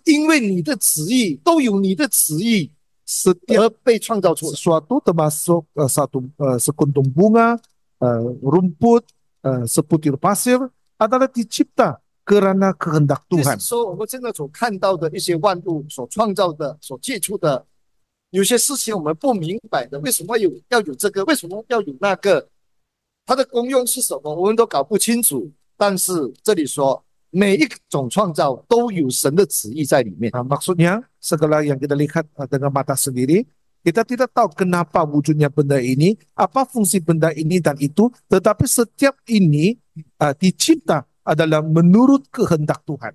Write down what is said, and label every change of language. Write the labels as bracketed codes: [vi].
[zh] 每一个创造，并且万物一根草、一朵花、一粒沙，都是又因为你的旨意，都有你的旨意。 [ms] Setiap [zh] 而被创造出来。 [ms] sesuatu termasuk satu sekuntum bunga, rumput, seputir pasir adalah dicipta karena kehendak Tuhan. [zh] 就是说，我们现在所看到的一些万物所创造的、所接触的。有些事情我们不明白的，为什么要有这个，为什么要有那个？它的功用是什么？我们都搞不清楚。但是这里说，每一种创造都有神的旨意在里面。 [ms] Nah, maksudnya segala yang kita lihat dengan mata sendiri, kita tidak tahu kenapa wujudnya benda ini, apa fungsi benda ini dan itu, tetapi setiap ini dicipta adalah menurut kehendak Tuhan.